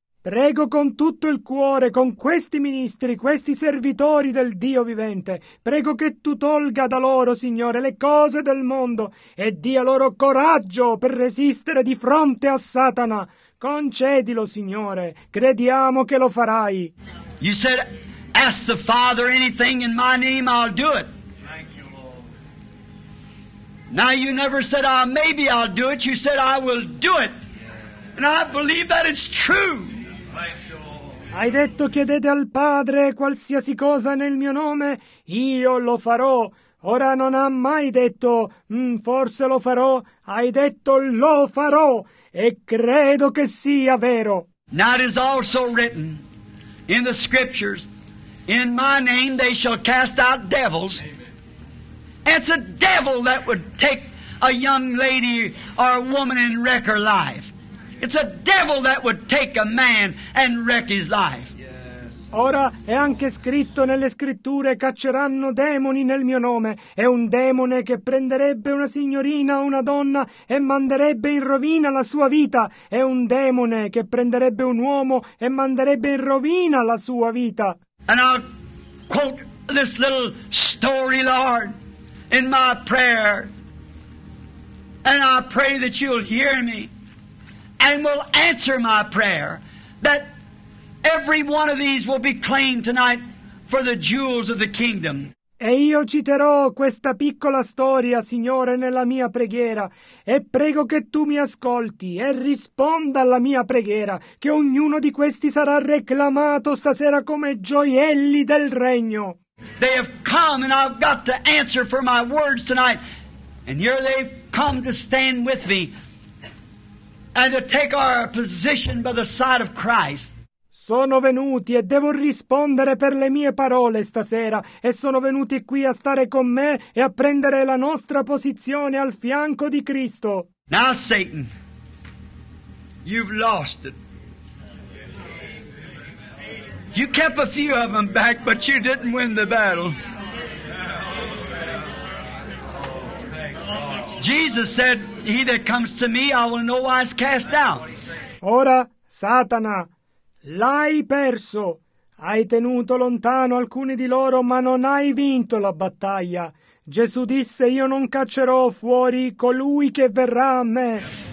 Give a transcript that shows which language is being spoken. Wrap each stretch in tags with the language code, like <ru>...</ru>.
<it>Prego con tutto il cuore, con questi ministri, questi servitori del Dio vivente. Prego che tu tolga da loro, Signore, le cose del mondo e dia loro coraggio per resistere di fronte a Satana. Concedilo, Signore. Crediamo che lo farai.</it> <en>You said, ask the Father anything in my name, I'll do it. Thank you, Lord. Now you never said, maybe I'll do it. You said, I will do it. And I believe that it's true.</en> <it>Hai detto, chiedete al Padre qualsiasi cosa nel mio nome, io lo farò. Ora non ha mai detto, forse lo farò. Hai detto, lo farò. E credo che sia vero.</it> <en>Now it is also written in the scriptures, in my name they shall cast out devils. Amen. It's a devil that would take a young lady or a woman and wreck her life. It's a devil that would take a man and wreck his life.</en> <it>Ora è anche scritto nelle scritture, cacceranno demoni nel mio nome. È un demone che prenderebbe una signorina o una donna e manderebbe in rovina la sua vita. È un demone che prenderebbe un uomo e manderebbe in rovina la sua vita.</it> <en>And I'll quote this little story, Lord, in my prayer. And I pray that you'll hear me. And will answer my prayer that every one of these will be claimed tonight for the jewels of the kingdom.</en> <it>E io citerò questa piccola storia, Signore, nella mia preghiera, e prego che tu mi ascolti e risponda alla mia preghiera, che ognuno di questi sarà reclamato stasera come gioielli del regno.</it> <en>They have come and I've got to answer for my words tonight, and here they've come to stand with me. And to take our position by the side of Christ.</en> <it>Sono venuti e devo rispondere per le mie parole stasera. E sono venuti qui a stare con me e a prendere la nostra posizione al fianco di Cristo.</it> <en>Now, Satan, you've lost it. You kept a few of them back, but you didn't win the battle. Jesus said, he that comes to me, I will in no wise cast out.</en> <it>Ora, Satana, l'hai perso. Hai tenuto lontano alcuni di loro, ma non hai vinto la battaglia. Gesù disse, io non caccerò fuori colui che verrà a me.</it>